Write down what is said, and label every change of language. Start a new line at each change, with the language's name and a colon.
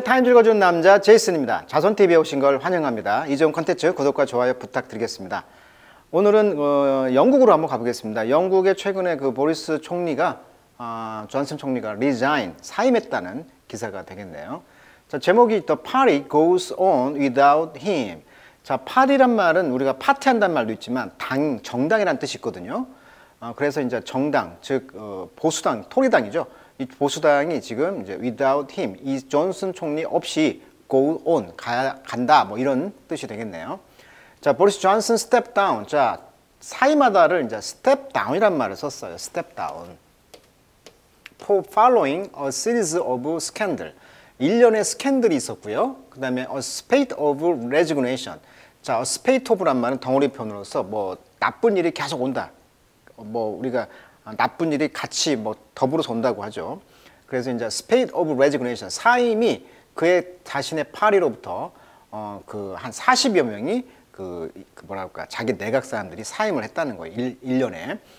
Korean: 타임 즐거워주는 남자 제이슨입니다. 자손TV에 오신 걸 환영합니다. 이 좋은 콘텐츠 구독과 좋아요 부탁드리겠습니다. 오늘은 영국으로 한번 가보겠습니다. 영국의 최근에 그 보리스 총리가 존슨 총리가 리자인, 사임했다는 기사가 되겠네요. 자, 제목이
English: The party goes on without him.
Korean: 자, party란 말은 우리가 파티한다는 말도 있지만 당, 정당이라는 뜻이 있거든요. 그래서 이제 정당, 즉 보수당, 토리당이죠. 이 보수당이 지금 이제
English: without him,
Korean: 이 존슨 총리 없이 go on, 간다, 뭐 이런 뜻이 되겠네요. 자, 보리스 존슨 step down. 자, 사임하다를 이제 step down이란 말을 썼어요.
English: step down. For following a series of scandals.
Korean: 1년의 스캔들이 있었고요. 그 다음에
English: a spate of resignation.
Korean: 자, a spate of란 말은 덩어리 표현으로서 뭐 나쁜 일이 계속 온다. 뭐 우리가 나쁜 일이 같이 뭐 더불어서 온다고 하죠. 그래서 이제
English: spate of resignation,
Korean: 사임이 그의 자신의 파리로부터 그 한 40여 명이 그 뭐랄까 자기 내각 사람들이 사임을 했다는 거예요. 1년에.